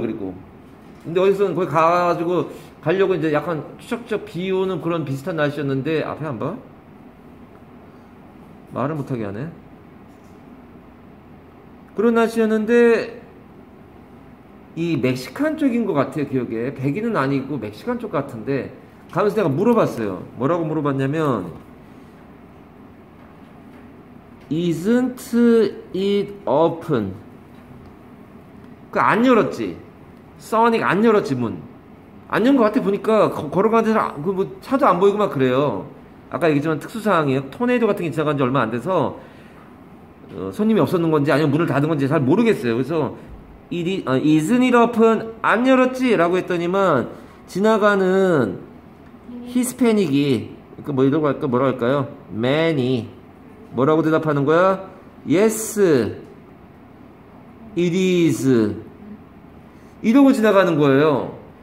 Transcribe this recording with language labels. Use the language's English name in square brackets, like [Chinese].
[Korean] 그리고 근데 어디서는 거기 가가지고 가려고 이제 약간 추적적 비 오는 그런 비슷한 날씨였는데 앞에 안 봐? 말을 못하게 하네. 그런 날씨였는데 이 멕시칸 쪽인 것 같아요. 기억에 백인은 아니고 멕시칸 쪽 같은데 가면서 내가 물어봤어요. 뭐라고 물어봤냐면 [English] Isn't it open? [Korean] 안 열었지. 써니가 안 열었지 문. 안 연 것 같아 보니까 걸어가는 데서 그 뭐 차도 안 보이고 막 그래요. 아까 얘기했지만 특수사항이에요. 토네이도 같은 게 지나간 지 얼마 안 돼서 손님이 없었는 건지 아니면 문을 닫은 건지 잘 모르겠어요. 그래서 [English] isn't it open? [Korean] 안 열었지 라고 했더니만 지나가는 히스패닉이 그 뭐 이러고 할까 뭐라 할까요? 매니 뭐라고 대답하는 거야? [English] yes it is [Korean] 이러고 지나가는 거예요.